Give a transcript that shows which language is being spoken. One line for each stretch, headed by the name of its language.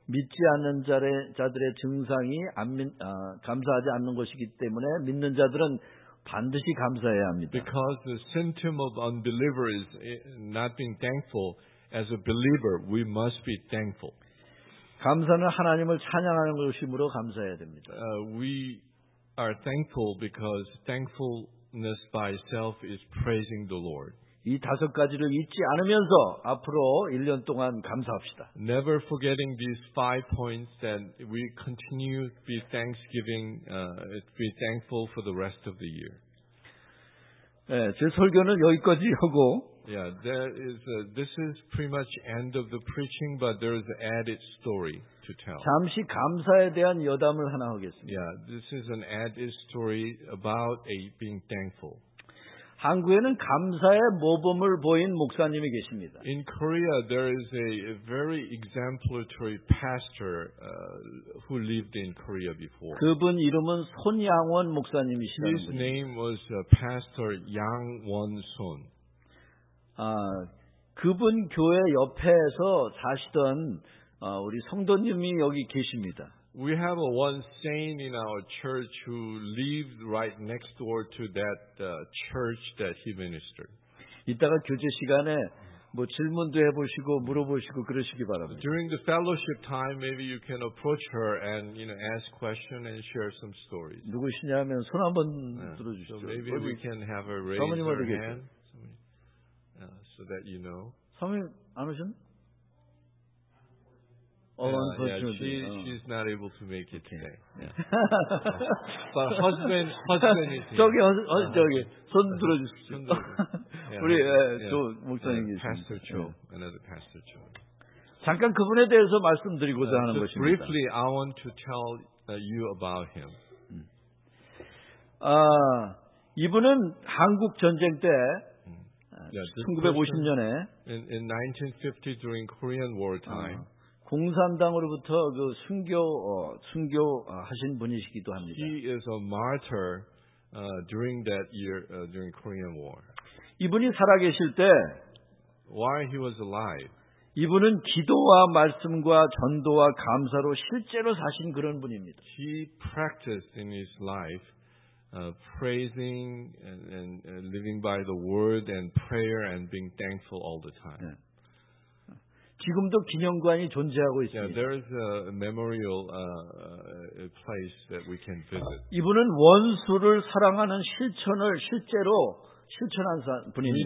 Korean: 믿지 않는 자들의 증상이 감사하지 않는 것이기 때문에 믿는 자들은 반드시 감사해야 합니다.
English: Because the symptom of unbeliever is not being thankful, as a believer, we must be thankful.
Korean: 감사는 하나님을 찬양하는 것이므로 감사해야 됩니다.
English: We are thankful because thankfulness by itself is praising the Lord.
Korean: 이 다섯 가지를 잊지 않으면서 앞으로 1년 동안 감사합시다.
English: Never forgetting these five points that we continue to be thanksgiving, be thankful for the rest of the year.
Korean: 네, 제 설교는 여기까지 하고
English: Yeah, this is pretty much end of the preaching, but there is an added story to tell.
Korean: 잠시 감사에 대한 여담을 하나 하겠습니다.
English: Yeah, this is an added story about being thankful.
Korean: 한국에는 감사의 모범을 보인 목사님이 계십니다.
English: In Korea, there is a very exemplary pastor who lived in Korea before.
Korean: 그분 이름은 손양원 목사님이시라고.
English: His name was Pastor Yang Won-sun.
Korean: 그분 교회 옆에서 사시던 우리 성도님이 여기 계십니다.
English: We have one saint in our church who lived right next door to that church that he ministered.
Korean: 이따가 교제 시간에 뭐 질문도 해보시고 물어보시고 그러시기 바랍니다.
English: During the fellowship time, maybe you can approach her and you know ask questions and share some stories.
Korean: 누구시냐면 손 한번 들어주시죠.
English: So maybe we can have her raise her hand. 서민님 that you know.
Korean: 서민 안 오셨나?
English: She's not able to make it today. Yeah. But husband is here.
Korean: 저기 손 들어주시죠. 우리 조 목사님이죠.
English: Pastor Cho, another Pastor Cho.
Korean: 잠깐 그분에 대해서 말씀드리고자 하는
English: just
Korean: 것입니다.
English: Briefly, I want to tell you about him.
Korean: 아, 이분은 한국 전쟁 때 1950년에
English: in 1950 during Korean War time.
Korean: 공산당으로부터 그 순교 하신 분이시기도 합니다.
English: He is a martyr during that year during Korean War.
Korean: 이분이 살아계실 때,
English: while he was alive,
Korean: 이분은 기도와 말씀과 전도와 감사로 실제로 사신 그런 분입니다.
English: He practiced in his life praising and living by the word and prayer and being thankful all the time.
Korean: 네. 지금도 기념관이 존재하고 있습니다.
English: Yeah, there is a memorial place that we can visit.
Korean: 이분은 원수를 사랑하는 실천을 실제로 실천한 분입니다.